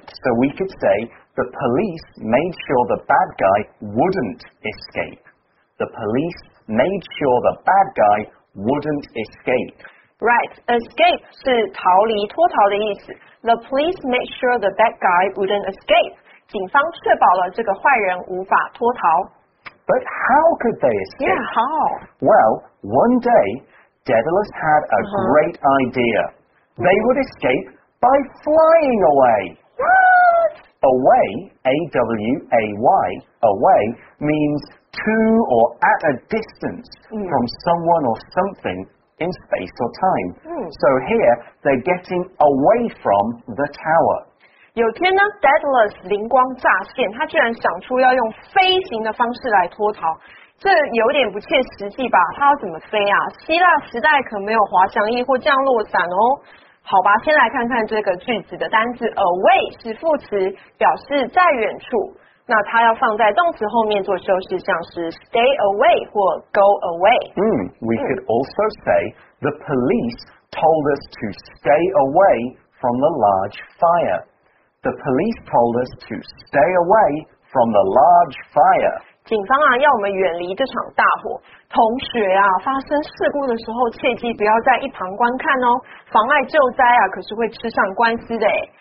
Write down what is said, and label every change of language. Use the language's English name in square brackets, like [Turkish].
[English] So we could say the police made sure the bad guy wouldn't escape. The police made sure the bad guy wouldn't escape. [Chinese] Right. Escape 是逃离、脱逃的意思。 [English] The police made sure the bad guy wouldn't escape. [Chinese] 警方确保了这个坏人无法脱逃。 [English] But how could they escape? Yeah, how? Well, one day, Daedalus had a great idea. They would escape by flying away. What? Away, A-W-A-Y, away, means to or at a distance from someone or something. In space or time. So here, they're getting away from the tower. [Chinese] 有天呢 ,Daedalus 灵光乍现，他居然想出要用飞行的方式来脱逃，这有点不切实际吧，他要怎么飞啊？希腊时代可没有滑翔翼或降落伞哦。好吧，先来看看这个句子的单字 away 是副词，表示在远处，那它要放在动词后面做修饰，像是 [English] stay away [Chinese] 或 [English] go away。 We could also say the police told us to stay away from the large fire. The police told us to stay away from the large fire. [Chinese] 警方啊，要我们远离这场大火。同学啊，发生事故的时候，切记不要在一旁观看哦。妨碍救灾啊，可是会吃上官司的诶。